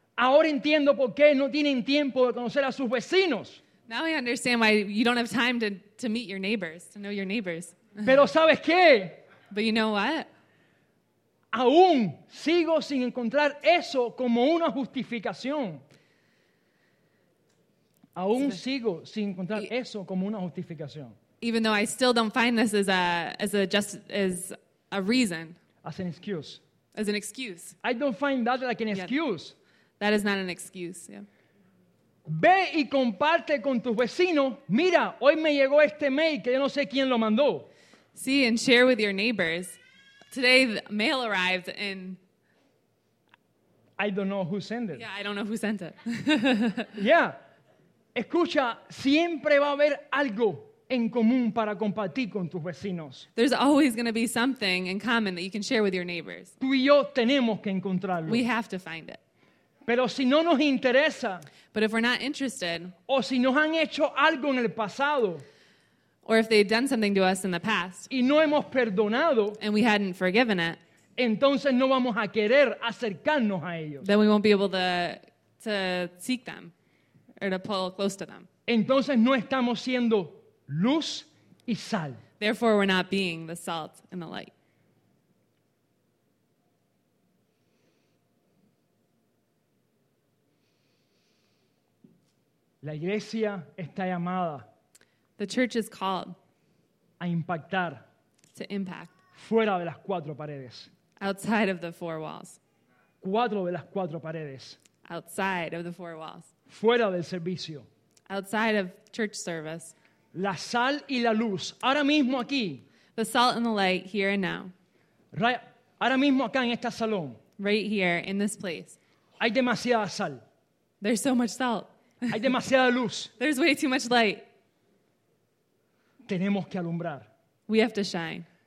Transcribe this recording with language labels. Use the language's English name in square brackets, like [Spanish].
[Spanish] Ahora entiendo por qué no tienen tiempo de conocer a sus vecinos. [English] Now I understand why you don't have time to meet your neighbors, to know your neighbors. [Spanish] Pero ¿sabes qué? [English] But you know what? [Spanish] Aún sigo sin encontrar eso como una justificación. Aún sigo sin encontrar eso como una justificación. [English] Even though I still don't find this as a reason. As an excuse. As an excuse. I don't find that like an excuse. That is not an excuse, yeah. [Spanish] Ve y comparte con tus vecinos. Mira, hoy me llegó este mail que yo no sé quién lo mandó. [English] See and share with your neighbors. Today the mail arrived and I don't know who sent it. Yeah, I don't know who sent it. Yeah. [Spanish] Escucha, siempre va a haber algo en común para compartir con tus vecinos. [English] There's always going to be something in common that you can share with your neighbors. [Spanish] Tú y yo tenemos que encontrarlo. [English] We have to find it. [Spanish] Pero si no nos interesa, [English] but if we're not interested, [Spanish] o si nos han hecho algo en el pasado, [English] or if they had done something to us in the past, [Spanish] y no hemos perdonado, [English] and we hadn't forgiven it, [Spanish] entonces no vamos a querer acercarnos a ellos. [English] Then we won't be able to seek them or to pull close to them. [Spanish] Entonces no estamos siendo luz y sal. [English] Therefore, we're not being the salt and the light. [Spanish] La iglesia está llamada. [English] The church is called [Spanish] a impactar. [English] To impact. [Spanish] Fuera de las cuatro paredes. [English] Outside of the four walls. [Spanish] Cuatro de las cuatro paredes. [English] Outside of the four walls. [Spanish] Fuera del servicio. [English] Outside of church service. [Spanish] La sal y la luz, ahora mismo aquí. [English] The salt and the light, here and now. [Spanish] Right, ahora mismo acá en este salón. [English] Right here, in this place. [Spanish] Hay demasiada sal. [English] There's so much salt. [Spanish] Hay demasiada luz. [English] There's way too much light. [Spanish] Tenemos que alumbrar. [English] We have to shine.